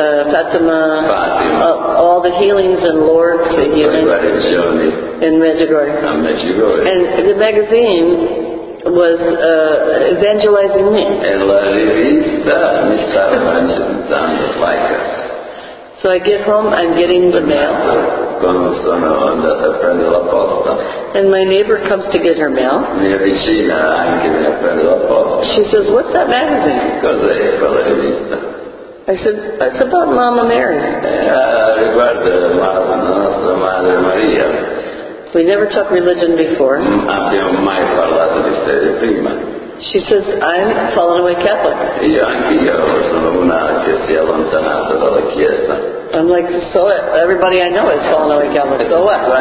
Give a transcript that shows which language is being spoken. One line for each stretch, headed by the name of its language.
English: Fatima, all the healings and Lourdes, the healings in Medjugorje. And the magazine was evangelizing me.
Italian: And la rivista mi stava evangelizzando Laika.
English: So I get home, I'm getting the mail.
Italian: Sono andata a prendere la posta.
English: And my neighbor comes to get her mail.
Italian: Mia vicina anche viene a prendere la posta.
English: She says, what's that magazine?
Italian: Cos'è quella rivista?
English: I said, it's about Mama Mary.
Italian: Riguarda la nostra madre Maria.
English: We never talked religion before.
Italian: Abbiamo mai parlato di fede prima.
English: She says, I'm fallen away Catholic.
Italian: Io anche io sono una che si è allontanata dalla Chiesa.
English: I'm like, so everybody I know is fallen away Catholic, so what?